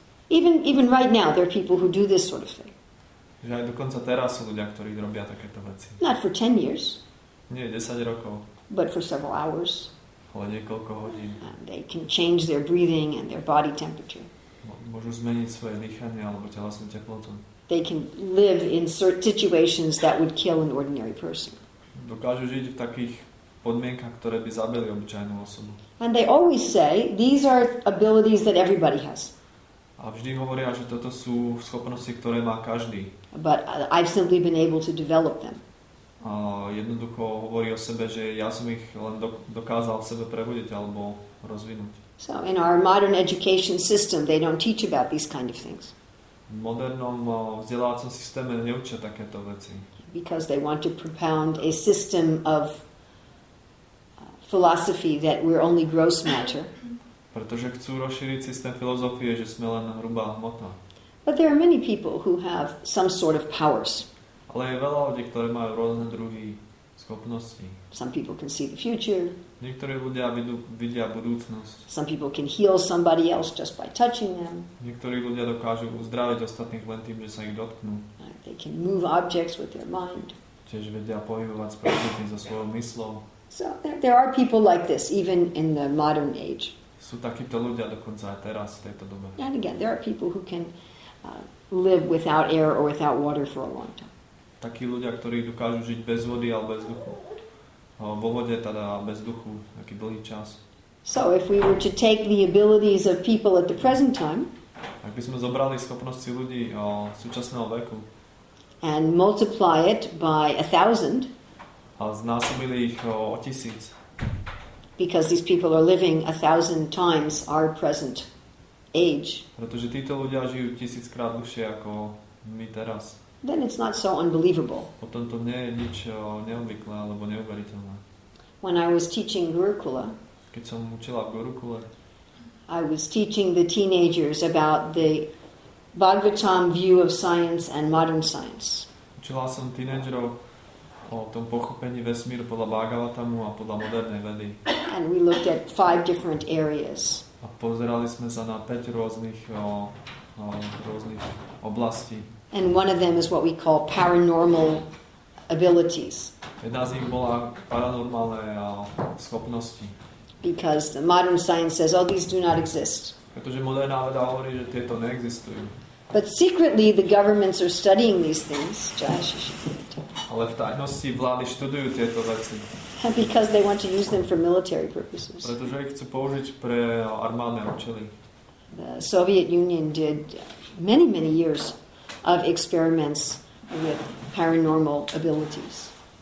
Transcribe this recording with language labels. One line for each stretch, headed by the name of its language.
English: Even right now, there are people who do this sort of thing.
Slovak: Že aj dokonca teraz sú ľudia, ktorí robia takéto veci.
English: Not for 10 years.
Slovak: Nie, 10 rokov.
English: But for several hours.
Slovak: Ale niekoľko hodín.
English: And they can change their breathing and their body temperature.
Slovak: Môžu zmeniť svoje dýchanie alebo telesnú teplotu.
English: They can live in certain situations that would kill an ordinary person.
Slovak: Dokážu žiť v takých podmienkach, ktoré by zabili obyčajnú osobu.
English: And they always say, these are abilities that everybody has.
Slovak: A vždy hovoria, že toto sú schopnosti, ktoré má každý.
English: But I've simply been able to develop them.
Slovak: A jednoducho hovorí o sebe, že ja som ich len dokázal v sebe prebudiť alebo rozvinúť.
English: So in our modern education system, they don't teach about these kind of things.
Slovak: V modernom vzdelávacom systéme neučia takéto veci.
English: Because they want to propound a system of philosophy that we're only gross matter.
Slovak: Pretože chcú rozšíriť systém filozofie, že sme len hrubá hmota.
English: But there are many people who have some sort of powers.
Slovak: Ale je veľa ľudí, ktorí majú rôzne druhy schopnosti.
English: Some people can see the future.
Slovak: Niektorí ľudia vidia budúcnosť.
English: Some people can heal somebody else just by touching them.
Slovak: Niektorí ľudia dokážu uzdraviť ostatných len tým, že sa ich dotknú.
English: They can move objects with their mind.
Slovak: Tiež vedia pohybovať predmety so svojou mysľou.
English: So there are people like this even in the modern age.
Slovak: Sú takíto ľudia dokonca aj teraz v tejto dobe.
English: And again, there are people who can live without air or without water for a long time.
Slovak: Takí ľudia, ktorí dokážu žiť bez vody alebo bez duchu. Vo vode teda bez duchu taký dlhý čas.
English: So if we were to take the abilities of people at the present time,
Slovak: ak by sme zobrali schopnosti ľudí súčasného veku
English: and multiply it by 1,000,
Slovak: a znásobili ich o 1,000,
English: because these people are living 1,000 times our present age,
Slovak: pretože títo ľudia žijú 1,000-krát dlhšie ako my teraz,
English: then it's not so unbelievable.
Slovak: Potom to nie je nič neobvyklé alebo neuveriteľné.
English: When I was teaching Gurukula,
Slovak: keď som učila v Gurukule,
English: I was teaching the teenagers about the Bhagavatam view of science and modern science.
Slovak: Učila som teenagerov o tom pochopení vesmíru podľa Bhagavatamu a podľa modernej vedy.
English: And we looked at 5 different areas.
Slovak: A pozerali sme sa na 5 rôznych rôznych oblastí.
English: And one of them is what we call paranormal abilities.
Slovak: Jedna z nich bola paranormálne schopnosti.
English: Because the modern science says, oh, these do not exist.
Slovak: Pretože moderná veda hovorí, že tieto neexistujú.
English: But secretly the governments are studying these things.
Slovak: Ale v tajnosti vlády študujú tieto veci.
English: Because they want to use them for military purposes.
Slovak: Pretože ich chcú použiť pre armádne účely.
English: The Soviet Union did many, many years of experiments with paranormal abilities.